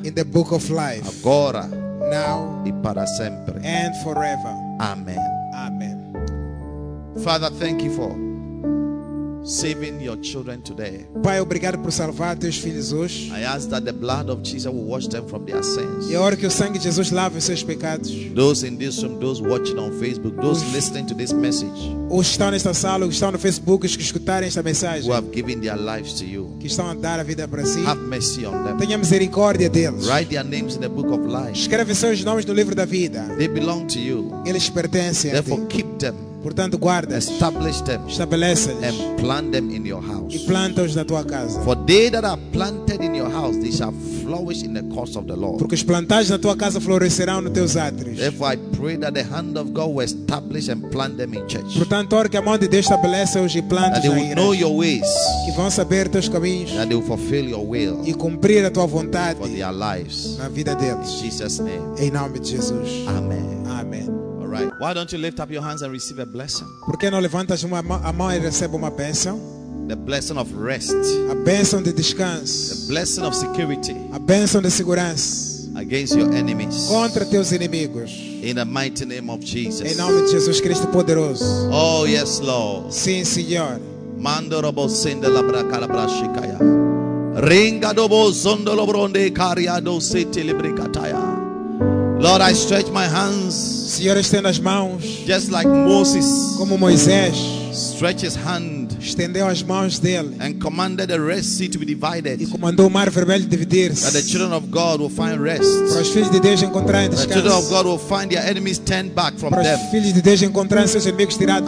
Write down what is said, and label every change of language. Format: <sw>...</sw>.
<en>In the book of life.</en> <pt>Agora,</pt> <en>now,</en> <pt>e para sempre.</pt> <en>And forever. Amen.</en> <pt>Amen.</pt> <en>Father, thank you for saving your children today.</en> <pt>Pai, obrigado por salvar teus filhos hoje.</pt> <en>I ask that the blood of Jesus will wash them from their sins.</en> <pt>Eu oro que o sangue de Jesus lave os seus pecados.</pt> <en>Those in this room, those watching on Facebook, those listening to this message.</en> <pt>Os que estão nesta sala, os que estão no Facebook, os que escutarem esta mensagem.</pt> <en>Who have given their lives to you.</en> <pt>Que estão a dar a vida para si.</pt> <en>Have mercy on them.</en> <pt>Tenha misericórdia deles.</pt> <en>Write their names in the book of life.</en> <pt>Escreve seus nomes no livro da vida.</pt> <en>They belong to you.</en> <pt>Eles pertencem a ti.</pt> <en>Therefore, keep them.</en> <pt>Portanto, guarda,</pt> <en>establish them, and plant them in your house.</en> <pt>E planta-os na tua casa.</pt> <en>For they that are planted in your house, they shall flourish in the course of the Lord.</en> <pt>Porque os plantados na tua casa florescerão nos teus átrios.</pt> <en>Therefore, I pray that the hand of God will establish and plant them in church.</en> <pt>Portanto, oro que a mão de Deus estabeleça-os e planta-os.</pt> <en>That they will know your ways.</en> <pt>Que vão saber teus caminhos.</pt> <en>That they will fulfill your will.</en> <pt>E cumprir a tua vontade.</pt> <en>For their lives.</en> <pt>Na vida deles.</pt> <en>In Jesus' name.</en> <pt>Em nome de Jesus.</pt> <en>Amen.</en> <pt>Amen.</pt> <en>Right. Why don't you lift up your hands and receive a blessing?</en> <pt>Por que não levantas a mão e recebe uma bênção?</pt> <en>The blessing of rest.</en> <pt>A bênção de descanso.</pt> <en>The blessing of security.</en> <pt>A bênção de segurança.</pt> <en>Against your enemies.</en> <pt>Contra teus inimigos.</pt> <en>In the mighty name of Jesus.</en> <pt>Em nome de Jesus Cristo poderoso.</pt> <en>Oh yes, Lord.</en> <pt>Sim, Senhor. Mando robo sende la bracala brashikaya. Ringa dobo zondo lo bronde caria do sete librikataya.</pt> <en>Lord, I stretch my hands.</en> <pt>Senhor, estendo as mãos.</pt> <en>Just like Moses.</en> <pt>Como Moisés.</pt> <en>Stretch his hand.</en> <pt>Estendeu as mãos dele.</pt> <en>And commanded the Red Sea to be divided.</en> <pt>E comandou o mar vermelho dividir-se.</pt> <en>That the children of God will find rest.</en> <pt>Para os filhos de Deus encontrarem descanso.</pt> <en>The children of God will find their enemies turned back from them.</en> <pt>Para os filhos de Deus encontrarem seus inimigos tirados.</pt>